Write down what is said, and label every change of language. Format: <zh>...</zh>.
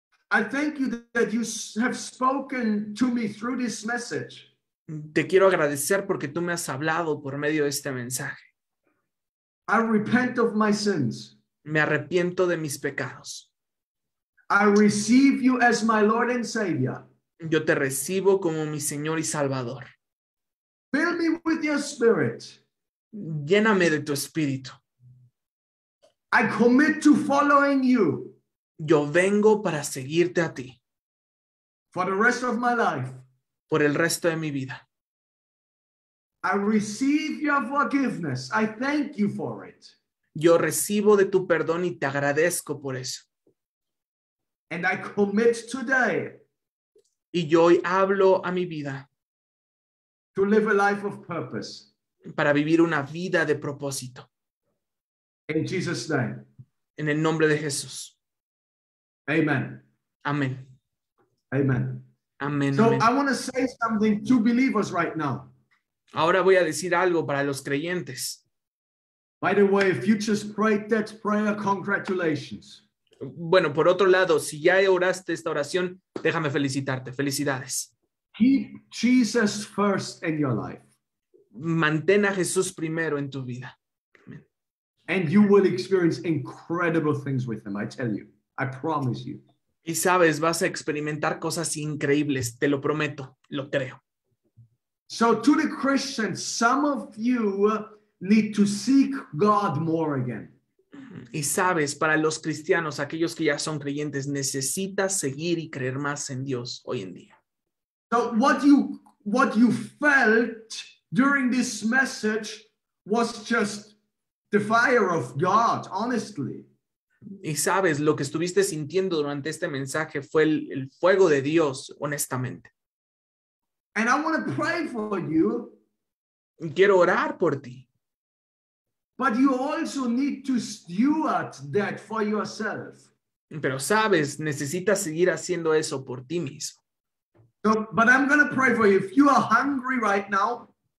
<en>I thank you that you have spoken to me through this message.</en> <es>Te quiero agradecer porque tú me has hablado por medio de este mensaje.</es> <en>I repent of my sins.</en> <es>Me arrepiento de mis pecados.</es> <en>I receive you as my Lord and Savior.</en> <es>Yo te recibo como mi Señor y Salvador.</es> <en>Fill me with your spirit.</en> <es>Lléname de tu espíritu.</es> <en>I commit to following you.</en> <es>Yo vengo para seguirte a ti.</es> <en>For the rest of my life.</en> <es>Por el resto de mi vida.</es> <en>I receive your forgiveness. I thank you for it.</en> <es>Yo recibo de tu perdón y te agradezco por eso.</es> <en>And I commit today.</en> <es>Y yo hoy hablo a mi vida.</es> <en>To live a life of purpose.</en> <es>Para vivir una vida de propósito.</es> <en>In Jesus' name.</en> <es>En el nombre de Jesús.</es> <en>Amen.</en> <es>Amén.</es> <en>Amen.</en> <es>Amén.</es> <en>So I want to say something to believers right now.</en> <es>Ahora voy a decir algo para los creyentes.</es> <en>By the way, if you just prayed that prayer, congratulations.</en> <es>Bueno, por otro lado, si ya oraste esta oración, déjame felicitarte. Felicidades.</es> <en>Keep Jesus first in your life.</en> <es>Mantén a Jesús primero en tu vida.</es> <en>Amen. And you will experience incredible things with him, I tell you. I promise you.</en> <es>Y sabes, vas a experimentar cosas increíbles, te lo prometo, lo creo.</es> <en>So to the Christians, some of you need to seek God more again.</en> <es>Y sabes, para los cristianos, aquellos que ya son creyentes, necesitas seguir y creer más en Dios hoy en día.</es> <en>So what you felt during this message was just the fire of God, honestly.</en> <es>Y sabes, lo que estuviste sintiendo durante este mensaje fue el fuego de Dios, honestamente.</es> <en>And I want to pray for you.</en> <es>Y quiero orar por ti.</es> <en>But you also need to steward that for yourself.</en> <es>Pero sabes, necesitas seguir haciendo eso por ti mismo.</es> <en>So, but I'm going to pray for you. If you are hungry right now.</en>